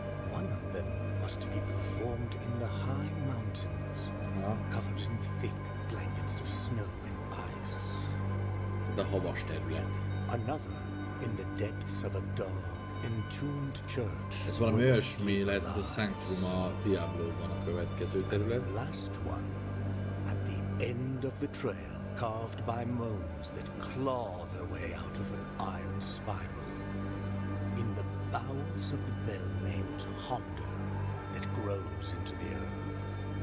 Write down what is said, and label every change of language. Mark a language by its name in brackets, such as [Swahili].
[English] One of them must be performed in the high mountains, covered in thick blankets of snow and ice. [Hungarian] The havas terület. [English] Another in the depths of a dark, entombed church. [Hungarian] Ez valami olyasmi lehet, hogy a Sanctum a Diablo-ban a következő terület. [English] The last one, at the end of the trail, carved by moans that claw their way out of an iron spiral. In the bowels of the bell named Hondo that grows into the earth.